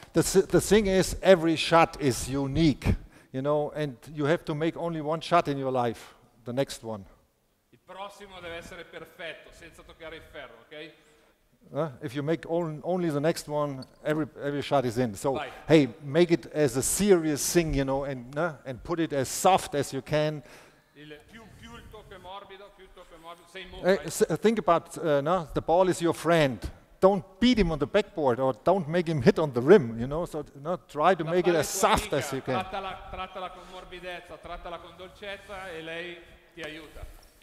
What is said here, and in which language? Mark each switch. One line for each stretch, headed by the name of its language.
English: The thing is, every shot is unique, and you have to make only one shot in your life. The next one.
Italian: Il prossimo deve essere perfetto, senza toccare il ferro, okay?
English: If you make only the next one, every shot is in. So,
Italian: vai.
English: Hey, make it as a serious thing, and put it as soft as you can.
Italian: Più il tocco è morbido, più il tocco è morbido.
English: Same move, right? Think about, the ball is your friend. Don't beat him on the backboard or don't make him hit on the rim, try to make it as soft as you can.
Italian: Trattala con morbidezza, trattala con dolcezza e lei ti aiuta.